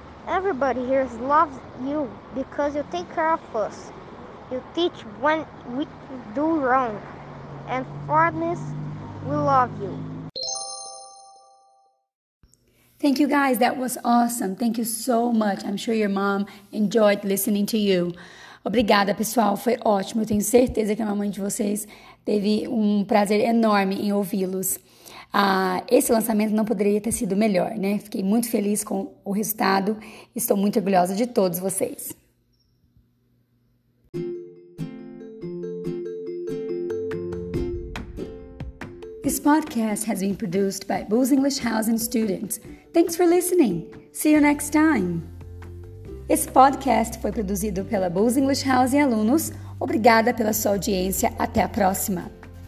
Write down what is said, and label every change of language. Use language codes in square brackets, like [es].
[en] Everybody here loves you because you take care of us. You teach when we do wrong. And for this, we love you. Thank you, guys. That was awesome. Thank you so much. I'm sure your mom enjoyed listening to you. [pt] Obrigada, pessoal. Foi ótimo. Eu tenho certeza que a mamãe de vocês teve um prazer enorme em ouvi-los. Esse lançamento não poderia ter sido melhor, né? Fiquei muito feliz com o resultado. Estou muito orgulhosa de todos vocês. [en] This podcast has been produced by Boos English House and Students. Thanks for listening. See you next time. [pt] Esse podcast foi produzido pela Boos English House e alunos. Obrigada pela sua audiência. Até a próxima.